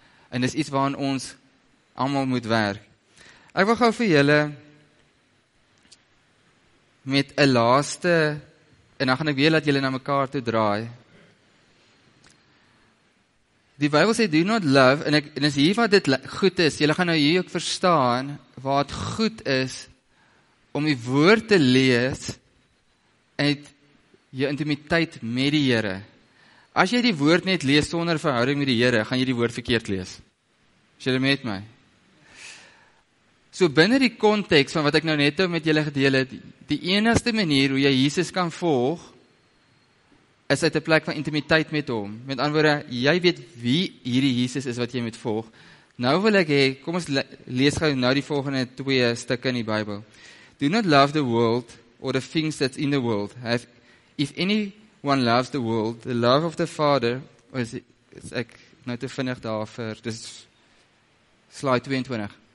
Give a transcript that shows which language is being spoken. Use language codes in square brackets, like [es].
[af] En dis iets waaraan ons almal moet werk. Ek wil gou vir julle met 'n laaste, en dan gaan ek weer laat julle na mekaar toe draai. Die Bybel sê, [en] do not love, [af] en is hier wat dit goed is, julle gaan nou hier ook verstaan, wat goed is, om die woord te lees uit jou intimiteit met die Here. As jy die woord net lees sonder verhouding met die Here, gaan jy die woord verkeerd lees. Is julle met my? So binne die konteks van wat ek nou net met julle gedeel het, die enigste manier hoe jy Jesus kan volg, is uit 'n plek van intimiteit met hom. Met ander woorde, jy weet wie hierdie Jesus is wat jy moet volg. Nou wil ek hê, kom ons lees gou nou die volgende twee stukke in die Bybel. [en] Do not love the world or the things that's in the world. If anyone loves the world, the love of the Father, [af] is ek nou te vinnig daar vir, dis slide 22.